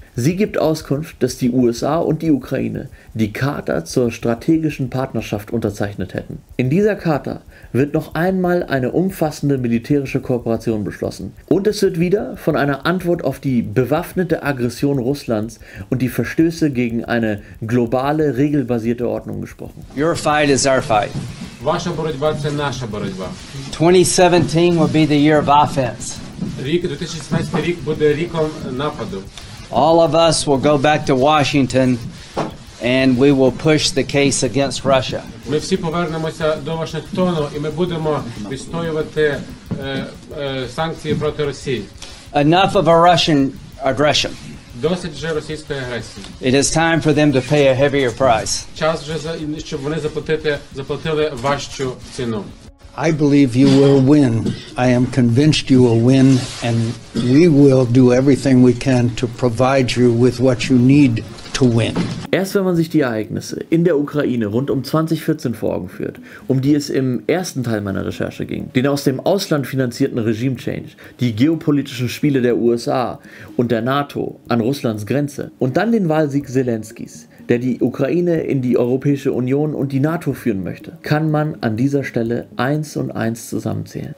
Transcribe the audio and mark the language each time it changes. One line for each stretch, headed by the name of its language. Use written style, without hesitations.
German: Sie gibt Auskunft, dass die USA und die Ukraine die Charta zur strategischen Partnerschaft unterzeichnet hätten. In dieser Charta wird noch einmal eine umfassende militärische Kooperation beschlossen. Und es wird wieder von einer Antwort auf die bewaffnete Aggression Russlands und die Verstöße gegen eine globale, regelbasierte Ordnung gesprochen.
English: Your fight is our fight.
Ukrainian: Ваша боротьба – це наша боротьба.
English: 2017 will be the year of offense.
Ukrainian: Рік, 2017 рік буде ріком нападу.
English: All of us will go back to Washington and we will push the case against Russia.
Ukrainian: Ми всі повернемося до Вашингтону і ми будемо відстоювати санкції проти Росії.
English: Enough of a Russian aggression.
Ukrainian: Досить вже російської агресії.
English: It is time for them to pay a heavier price.
Ukrainian: Час вже, щоб вони заплатили важчу ціну.
English: I believe you will win. I am convinced you will win, and we will do everything we can to provide you with what you need to win.
German: Erst wenn man sich die Ereignisse in der Ukraine rund um 2014 vor Augen führt, um die es im ersten Teil meiner Recherche ging, den aus dem Ausland finanzierten Regime-Change, die geopolitischen Spiele der USA und der NATO an Russlands Grenze und dann den Wahlsieg Zelenskys, der die Ukraine in die Europäische Union und die NATO führen möchte, kann man an dieser Stelle eins und eins zusammenzählen.